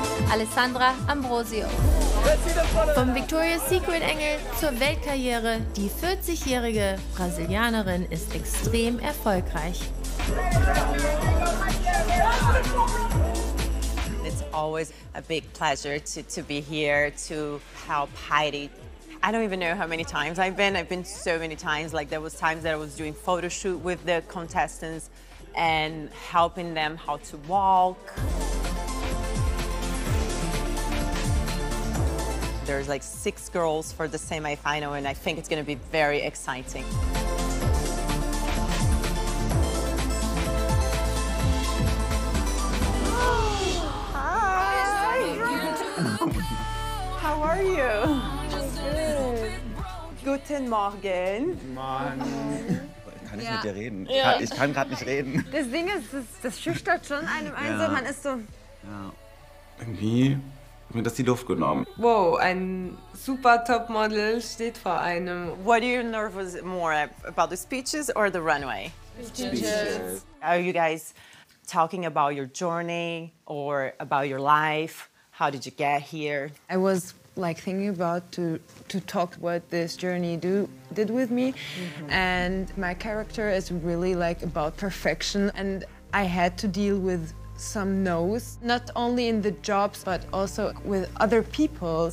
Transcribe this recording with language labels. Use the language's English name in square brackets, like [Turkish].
[German] Alessandra Ambrosio. Vom Victoria's Secret Engel zur Weltkarriere. Die 40-jährige Brasilianerin ist extrem erfolgreich. [English] It's always a big pleasure to be here to help Heidi. I don't even know how many times I've been. I've been so many times. Like there was times that I was doing photoshoot with the contestants and helping them how to walk. There's like 6 girls for the semi-final and I think it's gonna be very exciting. Oh, hi! How are you? Good. [German] Guten Morgen. [English] Good morning. [German] kann ich ja mit dir reden? Ja. Ich kann gerade nicht reden. Das Ding ist, das schüchtert schon einem ein, ja, so, man ist so... Ja, irgendwie hat mir das die Luft genommen. Wow, ein super Topmodel steht vor einem. [English] What are you nervous more about, the speeches or the runway? Speeches. Are you guys talking about your journey or about your life? How did you get here? I was like thinking about to talk what this journey did with me, mm-hmm, and my character is really like about perfection, and I had to deal with some no's, not only in the jobs but also with other people.